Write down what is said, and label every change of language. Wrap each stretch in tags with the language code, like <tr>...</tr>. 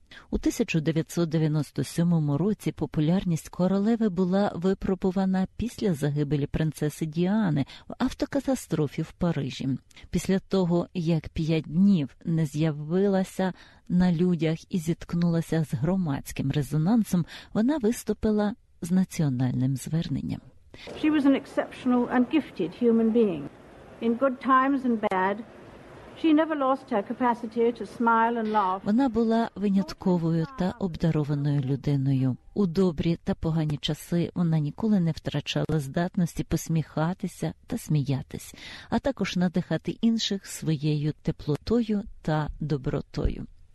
<uk>У 1997 році популярність королеви була випробувана після загибелі принцеси Діани в автокатастрофі в Парижі. Після того, як 5 днів не з'явилася на людях і зіткнулася з громадським резонансом, вона виступила з національним зверненням.</uk> <en>She was an exceptional and gifted human being. In good times and bad, she never lost her capacity to smile and laugh.</en> <uk>Вона була винятковою та обдарованою людиною. У добрі та погані часи вона ніколи не втрачала здатності посміхатися та сміятись, а також надихати інших своєю теплотою та добротою.</uk>